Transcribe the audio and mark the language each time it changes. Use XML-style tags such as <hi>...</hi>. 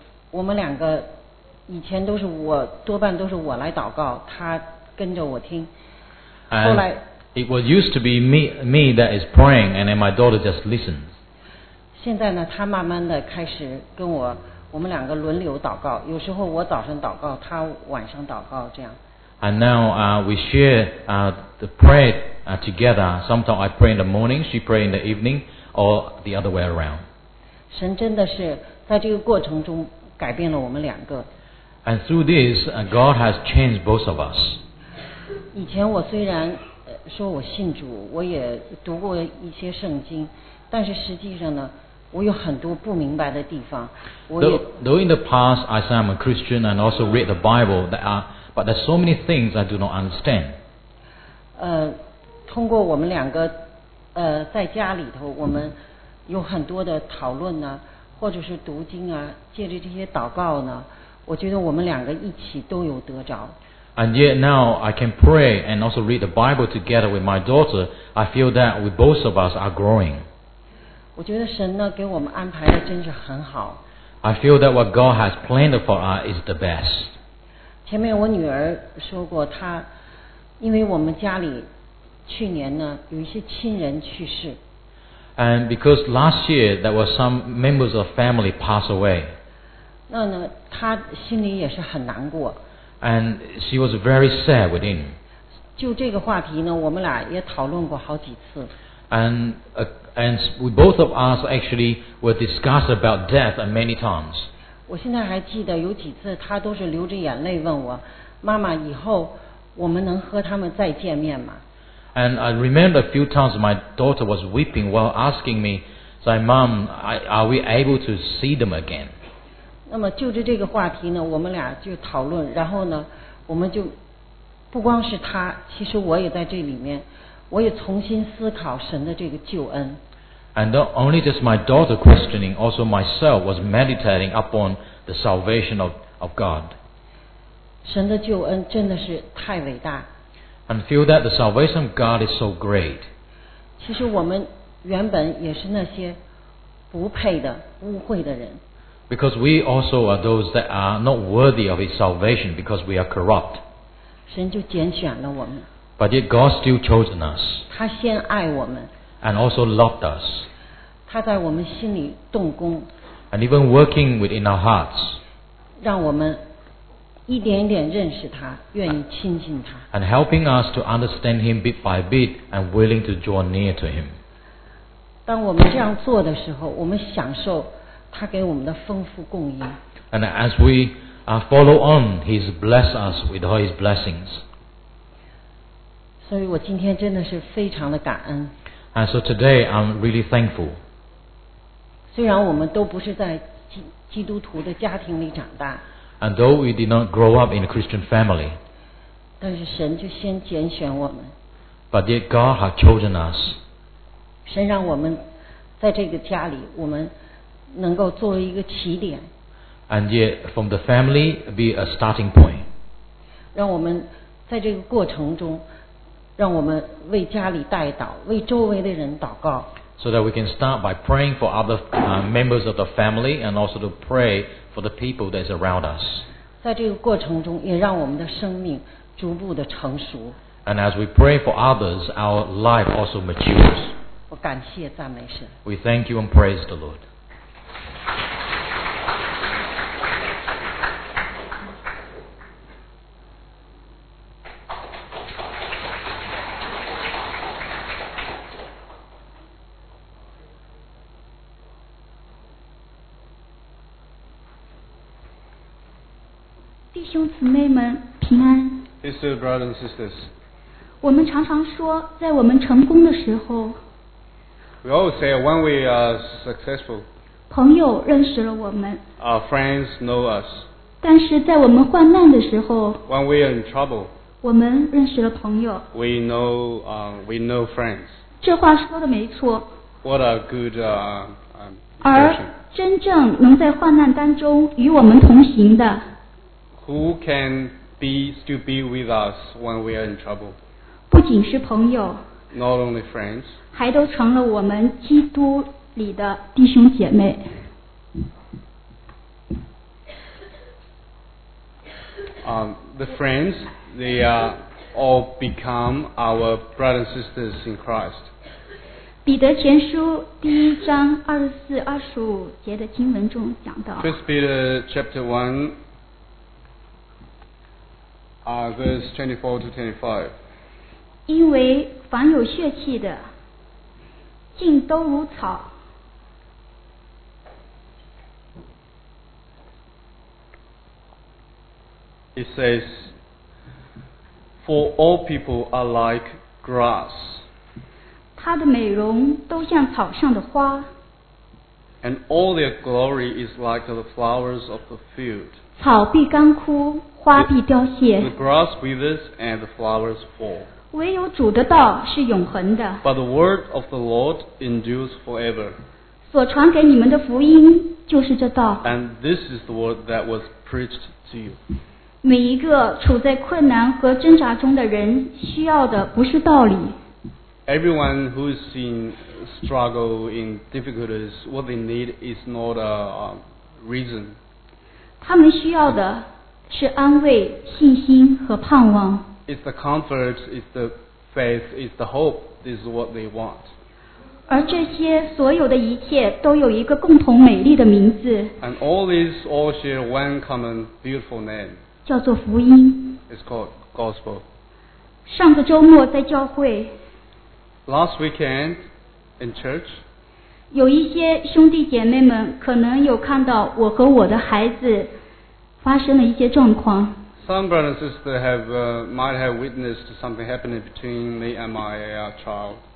<zh>我们两个以前都是我多半都是我来祷告，她跟着我听。</zh> <en>And it was used to be me that is praying, and then my daughter just listens.</en> <zh>现在呢，她慢慢的开始跟我们两个轮流祷告。有时候我早上祷告，她晚上祷告，这样。</zh> <en>And now we share the prayer together. Sometimes I pray in the morning, she pray in the evening, or the other way around.</en> <zh>神真的是在这个过程中改变了我们两个。</zh> <en>And through this, God has changed both of us.</en> <zh>以前我虽然说我信主，我也读过一些圣经，但是实际上呢，我有很多不明白的地方。</zh> <en>Though in the past I say I'm a Christian and also read the Bible, but there's so many things I do not understand.</en> <zh>通过我们两个在家里头，我们有很多的讨论呢，或者是读经啊，借着这些祷告呢，我觉得我们两个一起都有得着。</zh> <en>And yet now I can pray and also read the Bible together with my daughter. I feel that we both of us are growing.</en> <zh>我觉得神呢给我们安排的真是很好。</zh> <en>I feel that what God has planned for us is the best.</en> <zh>前面我女儿说过，她因为我们家里去年呢有一些亲人去世。</zh> <en>And because last year there were some members of family pass away.</en> <zh>那呢，她心里也是很难过。</zh> <en>And she was very sad within.</en> <zh>就这个话题呢，我们俩也讨论过好几次。</zh> <en>And we both of us actually were discussed about death many times.</en> <zh>我现在还记得有几次，她都是流着眼泪问我，妈妈，以后我们能和他们再见面吗？</zh> <en>And I remember a few times my daughter was weeping while asking me, say, Mom, are we able to see them again?</en> <zh>那么就着这个话题呢，我们俩就讨论，然后呢，我们就不光是他，其实我也在这里面，我也重新思考神的这个救恩。</zh> <en>And not only just my daughter questioning, also myself was meditating upon the salvation of God.</en> <zh>神的救恩真的是太伟大。</zh> <en>And feel that the salvation of God is so great.</en> <zh>其实我们原本也是那些不配的、污秽的人。</zh> <en>Because we also are those that are not worthy of His salvation because we are corrupt.</en> <zh>神就拣选了我们。</zh> <en>But yet God still chosen us.</en> <zh>他先爱我们。</zh> <en>And also loved us.</en> <zh>他在我们心里动工。</zh> <en>And even working within our hearts.</en> <zh>让我们一点一点认识他，愿意亲近他。</zh> <en>And helping us to understand Him bit by bit and willing to draw near to Him.</en> <zh>当我们这样做的时候，我们享受他给我们的丰富供应。</zh> <en>And as we follow on, He's blessed us with all His blessings.</en> <zh>所以我今天真的是非常的感恩。</zh> <en>And so today I'm really thankful.</en> <zh>虽然我们都不是在基督徒的家庭里长大。</zh> <en>And though we did not grow up in a Christian family.</en> <zh>但是神就先拣选我们。</zh> <en>But yet God has chosen us.</en> <zh>神让我们在这个家里，我们能够作为一个起点。</zh> <en>And yet, from the family, be a starting point.</en> <zh>让我们在这个过程中，让我们为家里代祷，为周围的人祷告。</zh> <en>So that we can start by praying for other members of the family and also to pray for the people that is around us.</en> <zh>在这个过程中也让我们的生命逐步的成熟。</zh> <en>And as we pray for others, our life also matures.</en> <zh>我感谢赞美神。</zh> <en>We thank you and praise the Lord.</en> <zh>弟兄姊妹们，平安。</zh> <en>Sister, brothers and sisters.</en> <zh>我们常常说，在我们成功的时候。</zh> <en>We always say when we are successful.</en> <zh>朋友认识了我们。</zh> <en>Our friends know us.</en> <zh>但是在我们患难的时候。</zh> <en>When we are in trouble.</en> <zh>我们认识了朋友。</zh> <en>We know friends.</en> <zh>这话说的没错。</zh> <en>What a good impression.</en> <zh>而真正能在患难当中与我们同行的。</zh> <en>Who can still be with us when we are in trouble?</en> <zh>不仅是朋友</zh> <en>Not only friends.</en> <zh>还都成了我们基督里的弟兄姐妹。</zh> <en>The friends, they are all become our brothers and sisters in Christ.</en> <zh>彼得前书第一章二十四、二十五节的经文中讲到。</zh> <en>First Peter chapter 1. verse 24-25.</en> <zh>因为凡有血气的，尽都如草。</zh> <en>It says, "For all people are like grass."</en> <zh>他的美容都像草上的花。</zh> <en>And all their glory is like the flowers of the field.</en> <zh>草必干枯。花必凋谢</zh> <en>The grass withers and the flowers fall.</en> <zh>唯有主的道是永恒的</zh> <en>But the word of the Lord endures forever.</en> <zh>所传给你们的福音就是这道</zh> <en>And this is the word that was preached to you.</en> <zh>每一个处在困难和挣扎中的人需要的不是道理</zh> <en>Everyone who is in struggle in difficulties, what they need is not a reason.</en> <zh>他们需要的是安慰、信心和盼望。</zh> <en>It's the comfort, it's the faith, it's the hope. This is what they want.</en> <zh>而这些所有的一切都有一个共同美丽的名字。</zh> <en>And all these all share one common beautiful name.</en> <zh>叫做福音。</zh> <en>It's called gospel.</en> <zh>上个周末在教会。</zh> <en>Last weekend in church.</en> <zh>有一些兄弟姐妹们可能有看到我和我的孩子。发生了一些状况。</zh> <en>Some brothers and sisters might have witnessed something happening between me and my child.</en>